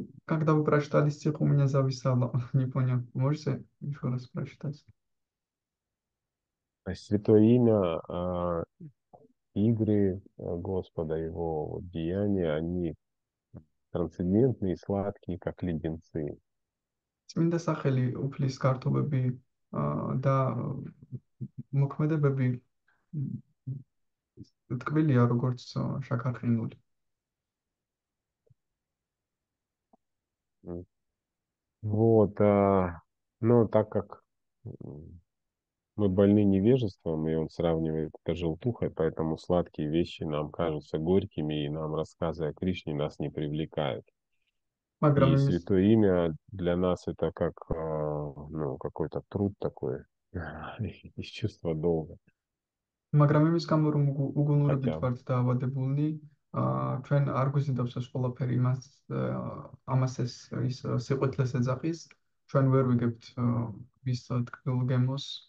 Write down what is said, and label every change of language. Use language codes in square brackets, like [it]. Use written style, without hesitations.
[ru] Когда вы прочитали стих, у меня зависало. Не понял. Можете еще раз прочитать? Святое имя, игры Господа, его деяния, они трансцендентные, сладкие, как леденцы. [ka] Წმინდა სახელი, უფლის გართობები და მოქმედებები ტკბილია, როგორც შაქარყინული. [ru] Вот, ну, так как мы больны невежеством, и он сравнивает это желтухой, поэтому сладкие вещи нам кажутся горькими, и нам рассказы о Кришне нас не привлекают. И святое имя для нас это как, ну, какой-то труд такой, из чувства долга. [ka] მაგრამ იმის გამო, რომ უგუნურებით [ru] Хотя бы. [ka] ვართ დაავადებულნი, ჩვენ არ გვზიდავს ეს ყველაფერი მას, ამას ეს ის სიყვითლეს ეძახის, ჩვენ ვერ ვიგებთ მის ტკბილ გემოს.